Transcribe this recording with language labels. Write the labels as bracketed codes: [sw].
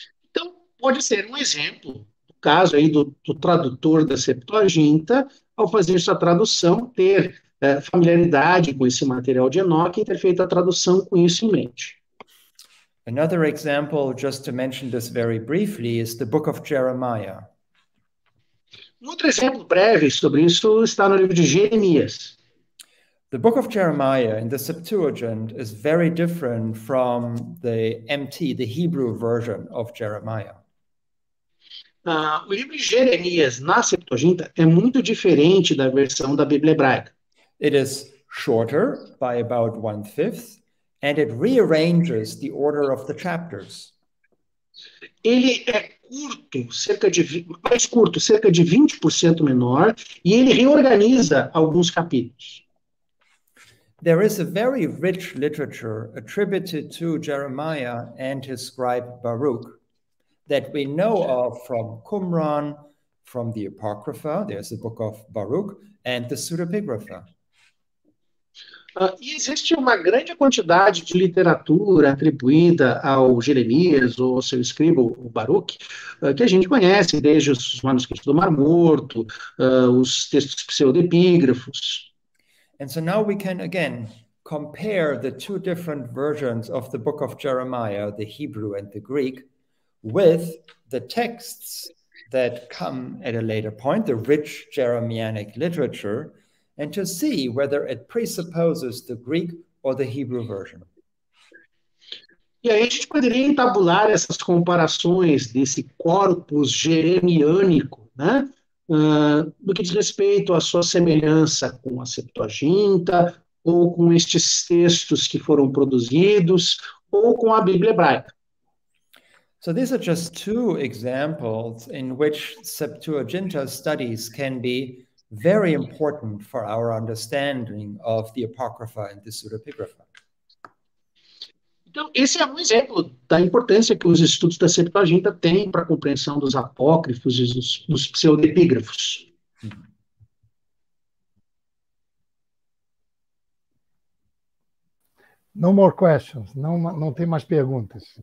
[pt] Então, pode ser um exemplo caso aí do tradutor da Septuaginta, ao fazer sua tradução, ter familiaridade com esse material de Enoque e ter feito a tradução com isso em mente. [en] Another example, just to mention this very briefly, is the book of Jeremiah. [pt] Um outro exemplo breve sobre isso está no livro de Jeremias. [en] The book of Jeremiah in the Septuagint is very different from the MT, the Hebrew version of Jeremiah. [pt] O livro de Jeremias na Septuaginta é muito diferente da versão da Bíblia hebraica. [en] It is shorter by about one-fifth, and it rearranges the order of the chapters. [pt] Ele é curto, cerca de 20% menor, e ele reorganiza alguns capítulos. [en] There is a very rich literature attributed to Jeremiah and his scribe Baruch that we know of from Qumran, from the Apocrypha, there's the book of Baruch, and the Pseudepigrapha. [pt] Existe uma grande quantidade de literatura atribuída ao Jeremias, ou ao seu escribo, o Baruch, que a gente conhece, desde os manuscritos do Mar Morto, os textos pseudepígrafos. [en] And so now we can, again, compare the two different versions of the book of Jeremiah, the Hebrew and the Greek, with the texts that come at a later point, the rich Jeremianic literature, and to see whether it presupposes the Greek or the Hebrew version. [pt] E aí a gente poderia entabular essas comparações desse corpus jeremiânico, né? Do que diz respeito à sua semelhança com a Septuaginta, ou com estes textos que foram produzidos, ou com a Bíblia hebraica. [en] So these are just two examples in which Septuaginta studies can be very important for our understanding of the Apocrypha and the Pseudepigrapha. [pt] Então, esse é um exemplo da importância que os estudos da Septuaginta têm para a compreensão dos apócrifos e dos pseudepígrafos. [en] No more questions. [pt] Não tem mais perguntas.